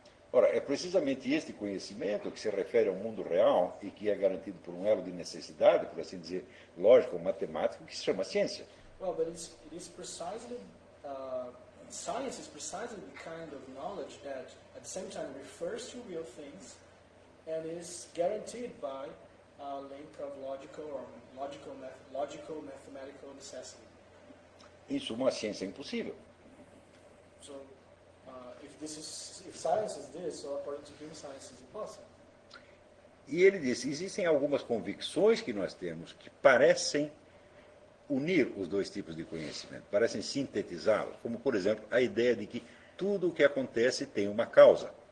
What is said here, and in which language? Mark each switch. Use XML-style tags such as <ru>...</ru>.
<pt>Ora, é precisamente este conhecimento que se refere ao mundo real e que é garantido por um elo de necessidade, por assim dizer, lógico ou matemático, que se chama ciência.</pt> <en>Well, but it is precisely science is precisely the kind of knowledge that at the same time refers to real things and is guaranteed by a link of logical or logical mathematical necessity.</en> <pt>Isso, uma ciência impossível.</pt> <en>So, if science is this, so according to Hume, science is impossible.</en> <pt>E ele diz, existem algumas convicções que nós temos que parecem unir os dois tipos de conhecimento, parecem sintetizá-los, como, por exemplo, a ideia de que tudo o que acontece tem uma causa.</pt>